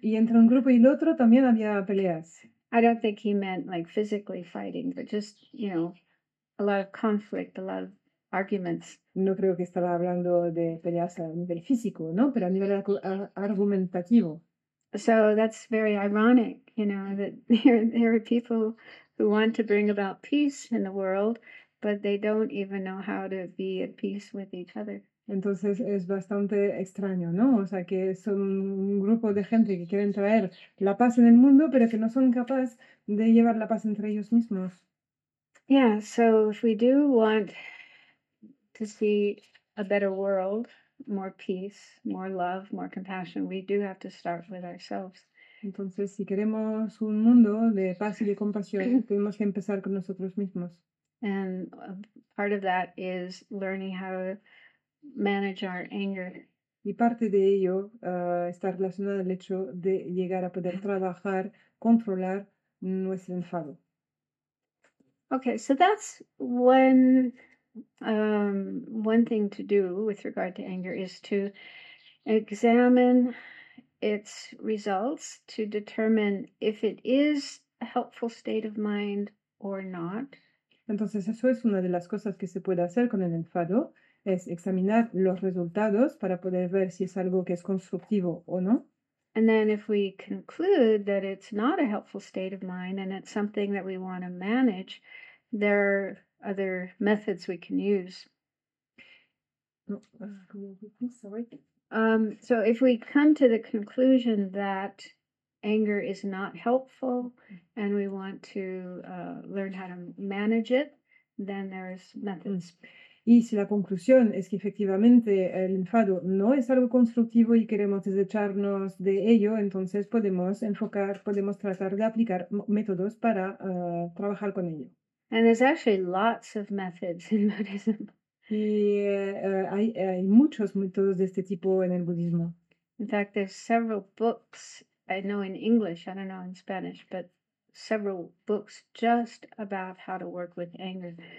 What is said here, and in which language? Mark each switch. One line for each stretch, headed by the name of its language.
Spanish: Y entre un grupo y el otro también había peleas.
English: I don't think he meant like physically fighting, but just, a lot of conflict, a lot of arguments.
Spanish: No creo que estaba hablando de peleas a nivel físico, ¿no? Pero a nivel argumentativo.
English: So that's very ironic, that there are people who want to bring about peace in the world, but they don't even know how to be at peace with each other.
Spanish: Entonces es bastante extraño, ¿no? O sea, que son un grupo de gente que quieren traer la paz en el mundo, pero que no son capaces de llevar la paz entre ellos mismos.
English: Yeah, so if we do want to see a better world, more peace, more love, more compassion, we do have to start with ourselves.
Spanish: Entonces, si queremos un mundo de paz y de compasión, tenemos que empezar con nosotros mismos.
English: And part of that is learning how to manage our anger.
Spanish: Y parte de ello está relacionado al hecho de llegar a poder trabajar, controlar nuestro enfado.
English: Okay, so that's one thing to do with regard to anger is to examine its results to determine if it is a helpful state of mind or not.
Spanish: Entonces, eso es una de las cosas que se puede hacer con el enfado, es examinar los resultados para poder ver si es algo que es constructivo o no.
English: And then if we conclude that it's not a helpful state of mind and it's something that we want to manage, there are other methods we can use. No. Sorry. So if we come to the conclusion that anger is not helpful and we want to learn how to manage it, then there's methods.
Spanish: Y si la conclusión es que efectivamente el enfado no es algo constructivo y queremos desecharnos de ello, entonces podemos enfocar, podemos tratar de aplicar métodos para trabajar con ello.
English: And there's actually lots of methods in Buddhism.
Spanish: Y hay muchos métodos de este tipo en el budismo.
English: In fact, there's several books, I know in English, I don't know in Spanish, but several books just about how to work with anger.